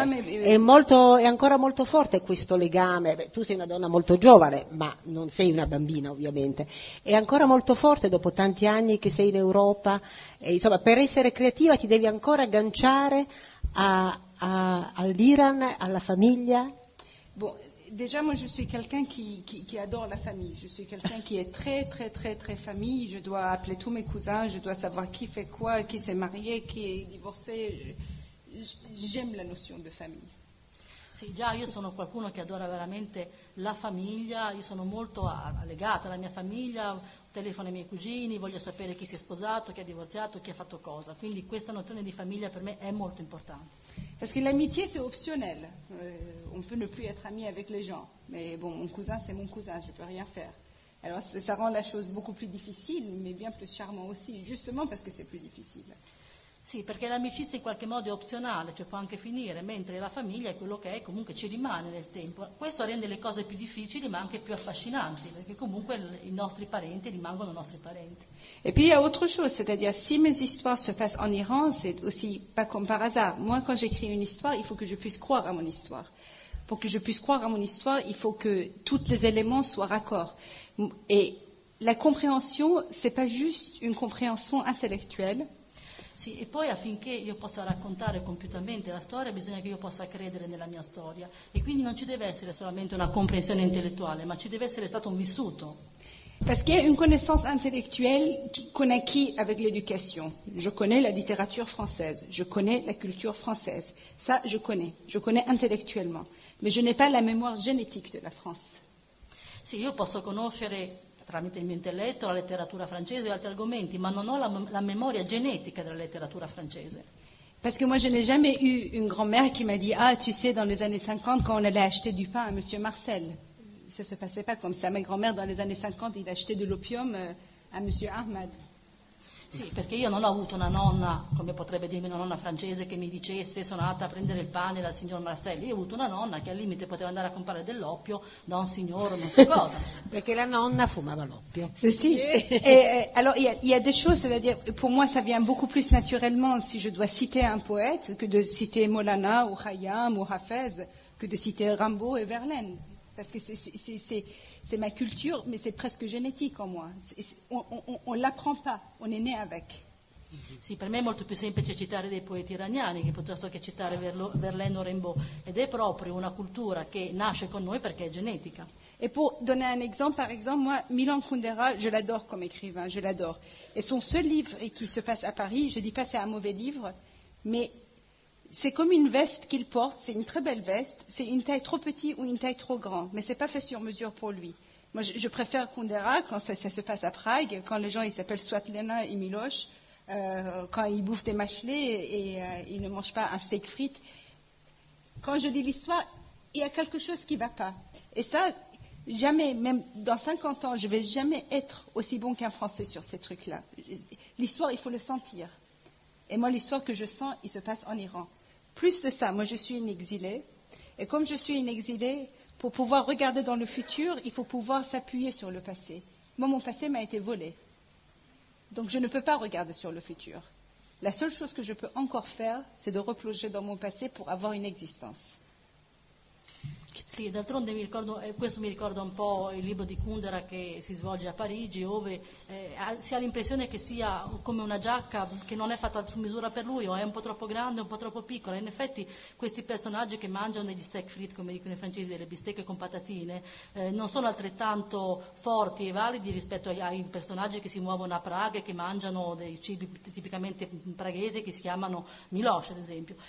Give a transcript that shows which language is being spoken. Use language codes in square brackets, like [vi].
[it] È ancora molto forte questo legame. Beh, tu sei una donna molto giovane, ma non sei una bambina, ovviamente. È ancora molto forte dopo tanti anni che sei in Europa. E, insomma, per essere creativa ti devi ancora agganciare all'Iran, alla famiglia. [fr] Déjà, moi, je suis quelqu'un qui adore la famille. Je suis quelqu'un qui est très, très, très, très famille. Je dois appeler tous mes cousins. Je dois savoir qui fait quoi, qui s'est marié, qui est divorcé. J'aime la notion de famille. [it] Sì, già, io sono qualcuno che adora veramente la famiglia. Io sono molto legata alla mia famiglia. Telefono ai miei cugini, voglio sapere chi si è sposato, chi ha divorziato, chi ha fatto cosa. Quindi questa nozione di famiglia per me è molto importante. [fr] Parce que l'amitié c'est optionnel. On peut ne plus être ami avec les gens. Mais bon, mon cousin c'est mon cousin, je peux rien faire. Alors ça rend la chose beaucoup plus difficile, mais bien plus charmant aussi, justement parce que c'est plus difficile. [it] Sì, perché l'amicizia in qualche modo è opzionale, cioè può anche finire, mentre la famiglia è quello che è, comunque ci rimane nel tempo. Questo rende le cose più difficili, ma anche più affascinanti, perché comunque i nostri parenti rimangono nostri parenti. [fr] E puis il y a autre chose, c'est-à-dire si mes histoires se passent en Iran, c'est aussi pas comme par hasard. Moi, quand j'écris une histoire, il faut que je puisse croire à mon histoire. Pour que je puisse croire à mon histoire, il faut que tous les éléments soient raccords. Et la compréhension, c'est pas juste une compréhension intellectuelle. [it] Sì, e poi affinché io possa raccontare compiutamente la storia bisogna che io possa credere nella mia storia. E quindi non ci deve essere solamente una comprensione intellettuale, ma ci deve essere stato un vissuto. [fr] Parce qu'il y a une connaissance intellectuelle qu'on acquis avec l'éducation. Je connais la littérature française, je connais la culture française. Ça, je connais intellectuellement. Mais je n'ai pas la mémoire génétique de la France. [it] Sì, io posso conoscere tramite il mio intelletto, la letteratura francese e altri argomenti, ma non ho la memoria genetica della letteratura francese. [fr] Parce que moi je n'ai jamais eu une grand-mère qui m'a dit ah tu sais dans les années 50 quand on allait acheter du pain à monsieur Marcel. Ça se passait pas comme ça. Ma grand-mère dans les années 50 il achetait de l'opium à monsieur Ahmad. [it] Sì, perché io non ho avuto una nonna, come potrebbe dirmi una nonna francese, che mi dicesse sono andata a prendere il pane dal signor Marcel. Io ho avuto una nonna che al limite poteva andare a comprare dell'oppio da un signore o non so cosa. Perché la nonna fumava l'oppio. Sì, sì. [fr] Allora, il y a des choses, c'est-à-dire, pour moi ça vient beaucoup plus naturellement si je dois citer un poète que de citer Molana ou Khayyam ou Hafez, que de citer Rimbaud et Verlaine. Parce que c'est ma culture, mais c'est presque génétique en moi. On ne l'apprend pas, on est né avec. [it] Sì, per me è molto più semplice citare dei poeti iraniani che piuttosto che citare Verlaine o Rimbaud. Ed è proprio una cultura che nasce con noi perché è genetica. [fr] E per donner [it] un esempio, [fr] par exemple, moi, Milan Kundera, je l'adore [it] come [fr] écrivain, je l'adore. Et son seul livre qui se passe à Paris, je ne dis pas c'est un mauvais livre, mais c'est comme une veste qu'il porte, c'est une très belle veste, c'est une taille trop petite ou une taille trop grande, mais c'est pas fait sur mesure pour lui. Moi, je préfère Kundera quand ça se passe à Prague, quand les gens ils s'appellent Svetlana et Miloš, quand ils bouffent des machelets et ils ne mangent pas un steak frites. Quand je lis l'histoire, il y a quelque chose qui va pas. Et ça, jamais, même dans 50 ans, je vais jamais être aussi bon qu'un Français sur ces trucs-là. L'histoire, il faut le sentir. Et moi, l'histoire que je sens, il se passe en Iran. Plus de ça, moi, je suis une exilée. Et comme je suis une exilée, pour pouvoir regarder dans le futur, il faut pouvoir s'appuyer sur le passé. Moi, mon passé m'a été volé. Donc, je ne peux pas regarder sur le futur. La seule chose que je peux encore faire, c'est de replonger dans mon passé pour avoir une existence. [it] Sì, d'altronde mi ricordo, questo mi ricorda un po' il libro di Kundera che si svolge a Parigi, dove si ha l'impressione che sia come una giacca che non è fatta su misura per lui, o è un po' troppo grande, un po' troppo piccola. In effetti questi personaggi che mangiano degli steak frites, come dicono i francesi, delle bistecche con patatine, non sono altrettanto forti e validi rispetto ai personaggi che si muovono a Praga e che mangiano dei cibi tipicamente praghesi che si chiamano Miloš, ad esempio.